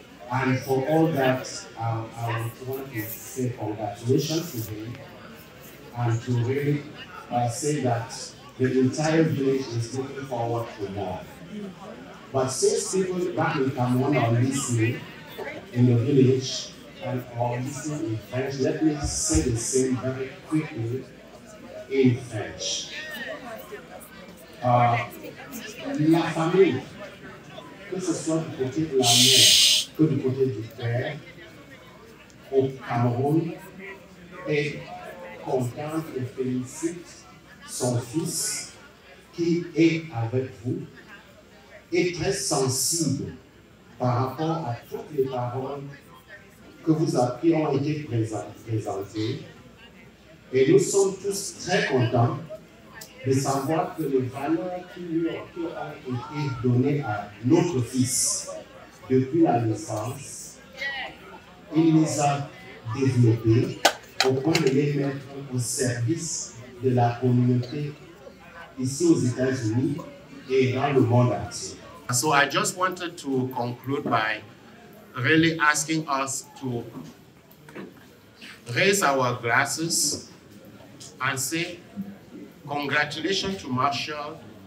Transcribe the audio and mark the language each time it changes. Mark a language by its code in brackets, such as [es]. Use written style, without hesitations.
[en] And for all that, I want to say congratulations to him and to really say that the entire village is looking forward to more. But since people back in Cameroon are listening in the village and are listening in French, let me say the same very quickly in French. [fr] La famille, que ce soit du côté de la mère, que du côté du père, au Cameroun, est content et félicite son fils qui est avec vous, est très sensible par rapport à toutes les paroles que vous avez ont été présentées. Et nous sommes tous très contents de savoir que les valeurs qui ont été données à notre fils depuis la naissance, il les a développés au point de les mettre au service de la communauté ici aux États-Unis et dans le monde entier. [en] So I just wanted to conclude by really asking us to raise our glasses and say congratulations to Marshall.